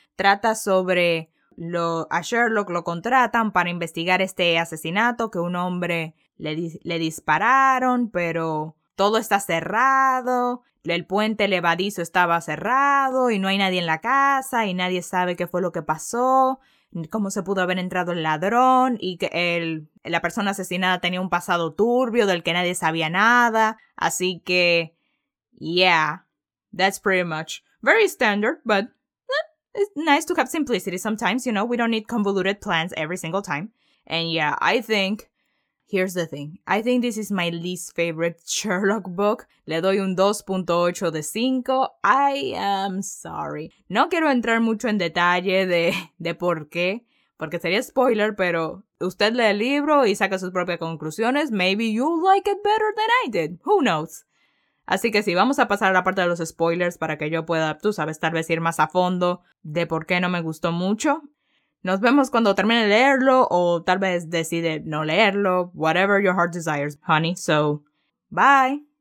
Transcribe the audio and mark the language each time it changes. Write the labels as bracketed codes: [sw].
[es] Trata sobre a Sherlock lo contratan para investigar este asesinato que un hombre le dispararon, pero todo está cerrado, el puente levadizo estaba cerrado y no hay nadie en la casa y nadie sabe qué fue lo que pasó, cómo se pudo haber entrado el ladrón y que la persona asesinada tenía un pasado turbio del que nadie sabía nada. Así que, [en] yeah, that's pretty much very standard, but it's nice to have simplicity sometimes, you know, we don't need convoluted plans every single time. And yeah, I think, here's the thing, I think this is my least favorite Sherlock book. [es] Le doy un 2.8 de 5. [en] I am sorry. [es] No quiero entrar mucho en detalle de por qué, porque sería spoiler, pero usted lee el libro y saca sus propias conclusiones. [en] Maybe you like it better than I did. Who knows? [es] Así que sí, vamos a pasar a la parte de los spoilers para que yo pueda, tú sabes, tal vez ir más a fondo de por qué no me gustó mucho. Nos vemos cuando termine de leerlo o tal vez decide no leerlo. [en] Whatever your heart desires, honey. So, bye.